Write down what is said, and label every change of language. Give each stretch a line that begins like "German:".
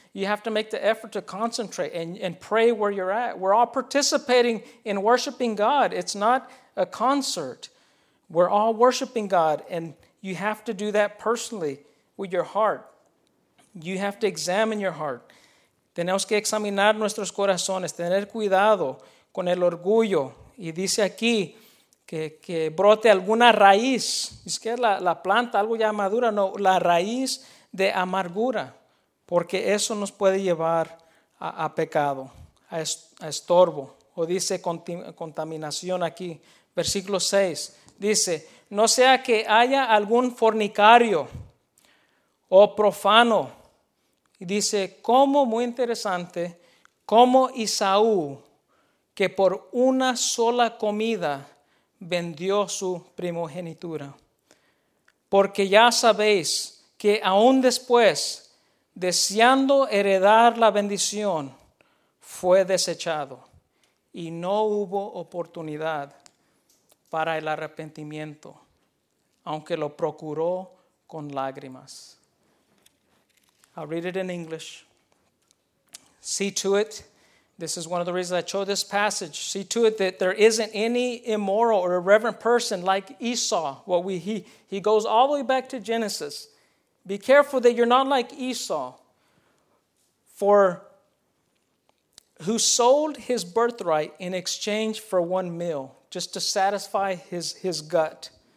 English: You have to make the effort to concentrate and pray where you're at. We're all participating in worshiping God. It's not a concert. We're all worshiping God, and you have to do that personally with your heart. You have to examine your heart.
Spanish: Tenemos que examinar nuestros corazones, tener cuidado con el orgullo. Y dice aquí, que brote alguna raíz. Es que la planta, algo ya madura. No, la raíz de amargura. Porque eso nos puede llevar a pecado, a estorbo. O dice contaminación aquí. Versículo 6. Dice, no sea que haya algún fornicario o profano. Y dice, como muy interesante, como Esaú, que por una sola comida vendió su primogenitura. Porque ya sabéis que aún después, deseando heredar la bendición, fue desechado y no hubo oportunidad para el arrepentimiento, aunque lo procuró con lágrimas.
English: I'll read it in English. See to it. This is one of the reasons I chose this passage. See to it that there isn't any immoral or irreverent person like Esau. He goes all the way back to Genesis. Be careful that you're not like Esau, for who sold his birthright in exchange for one meal, just to satisfy his gut.